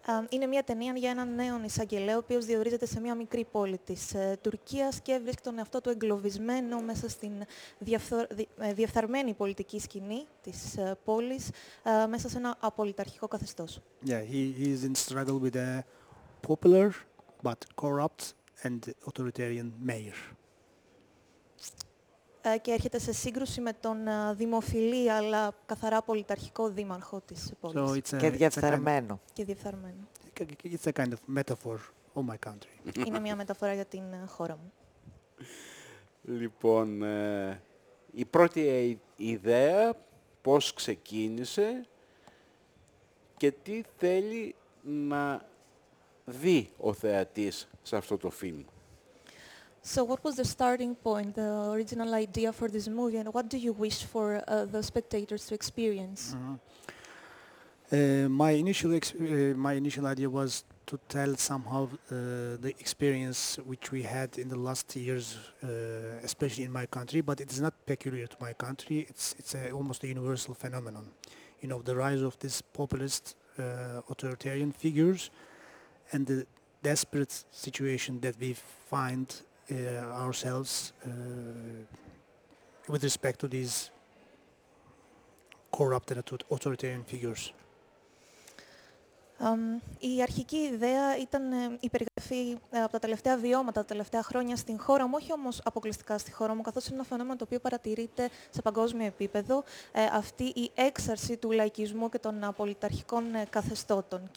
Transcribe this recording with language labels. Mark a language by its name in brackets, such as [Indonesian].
[Greek] Είναι μια ταινία για έναν νέο εισαγγελέα, ο οποίος διορίζεται σε μια μικρή πόλη της Τουρκίας και βρίσκει τον εαυτό του εγκλωβισμένο μέσα στην διεφθαρμένη πολιτική σκηνή της πόλης, μέσα σε ένα απολυταρχικό καθεστώς. [English] Yeah, he is in struggle with a popular but corrupt and authoritarian mayor. [Greek] Και έρχεται σε σύγκρουση με τον δημοφιλή, αλλά καθαρά πολιταρχικό δήμαρχο της πόλης. Και διεφθαρμένο. [English] it's a kind of metaphor for my country. [Greek] Είναι μια μεταφορά για την χώρα μου. Λοιπόν, η πρώτη ιδέα, πώς ξεκίνησε και τι θέλει να δει ο θεατής σε αυτό το φιλμ. [English] So what was the starting point, the original idea for this movie, and what do you wish for the spectators to experience? My initial idea was to tell somehow the experience which we had in the last years, especially in my country. But it is not peculiar to my country. It's almost a universal phenomenon. You know, the rise of these populist authoritarian figures and the desperate situation that we find ourselves with respect to these corrupt and authoritarian figures. [Greek] Η αρχική ιδέα ήταν η περιγραφή από τα τελευταία βιώματα, τα τελευταία χρόνια στην χώρα μου, όχι όμως αποκλειστικά στη χώρα μου, καθώς είναι ένα φαινόμενο το οποίο παρατηρείται σε παγκόσμιο επίπεδο, αυτή η έξαρση του λαϊκισμού και των πολιταρχικών καθεστώτων.